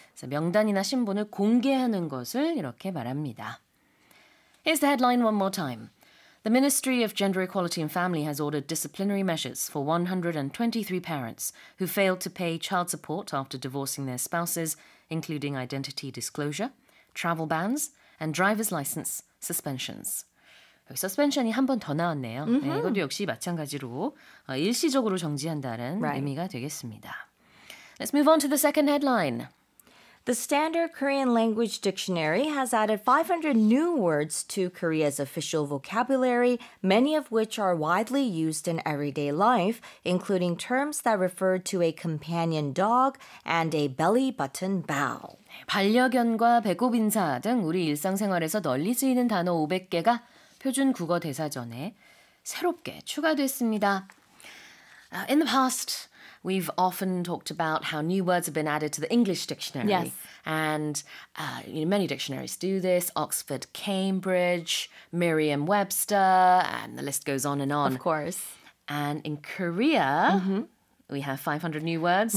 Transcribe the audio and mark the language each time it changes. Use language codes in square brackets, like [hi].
[ko] So 명단이나 신분을 공개하는 것을 이렇게 말합니다. [en] Here's the headline one more time. The Ministry of Gender Equality and Family has ordered disciplinary measures for 123 parents who failed to pay child support after divorcing their spouses, including identity disclosure, travel bans, and driver's license suspensions. [ko] Suspension이 한 번 더 나왔네요. Mm-hmm. 네, 이것도 역시 마찬가지로 일시적으로 정지한다는 [en] right. [ko] 의미가 되겠습니다. [en] Let's move on to the second headline. The Standard Korean Language Dictionary has added 500 new words to Korea's official vocabulary, many of which are widely used in everyday life, including terms that refer to a companion dog and a belly button bow. [ko] 반려견과 배꼽 인사 등 우리 일상생활에서 널리 쓰이는 단어 500개가 표준 국어 대사전에 새롭게 추가됐습니다. [en] In the past, we've often talked about how new words have been added to the English dictionary. Yes. And you know, many dictionaries do this. Oxford, Cambridge, Merriam-Webster, and the list goes on. Of course. And in Korea, mm-hmm. we have 500 new words